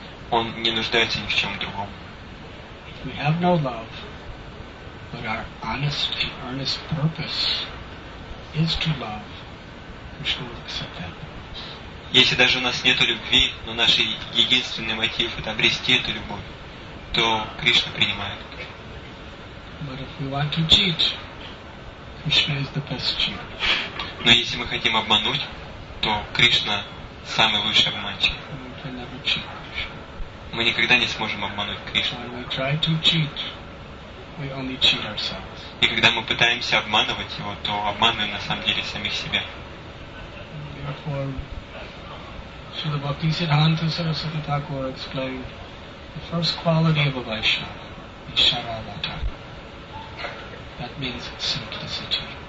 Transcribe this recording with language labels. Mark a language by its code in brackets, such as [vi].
[ru] Он не нуждается ни в чем другом. [en] We have no love, but our honest and earnest purpose is to love. Krishna will accept that purpose. [ru] Если даже у нас нет любви, но наш единственный мотив – это обрести эту любовь, то Кришна принимает. [en] But if we want to cheat, Krishna is the best cheat. [ru] Но если мы хотим обмануть, то Кришна самый лучший обманщик. [en] We can never cheat Krishna. [ru] Мы никогда не сможем обмануть Кришну. [en] When we try to cheat, we only cheat ourselves. [ru] И когда мы пытаемся обманывать его, то обманываем на самом деле самих себя. [en] Therefore, Śrīla Bhaktisiddhānta Sarasvati Thakura explained the first quality of a Vaishnava is Sharavata. That means simplicity.